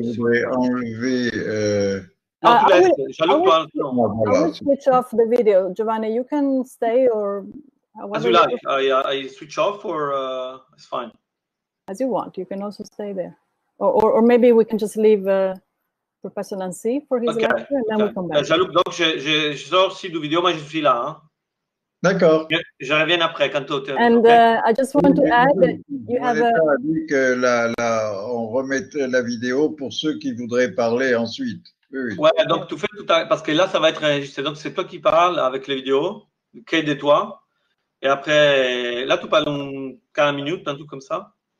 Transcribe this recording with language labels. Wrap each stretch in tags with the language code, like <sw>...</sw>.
<en>I will switch off the video. Giovanni, you can stay or... As you like. I switch off or it's fine. As you want. You can also stay there. Or maybe we can just leave Professor Nancy for his lecture and then we come back.</en> <fr>Jean-Luc, donc, je sors aussi du vidéo, mais je suis là. Hein? D'accord. Je reviens après quand tu termines.</fr> <en>And I just want to add that you have a...</en> <fr>que là, on remet la vidéo pour ceux qui voudraient parler ensuite. Oui, oui. Ouais, donc tu fais tout à... parce que là, ça va être enregistré. Donc, c'est toi qui parles avec les vidéos, qui est de toi. Et après, là, tu parles 40 minutes, un truc comme ça.</fr>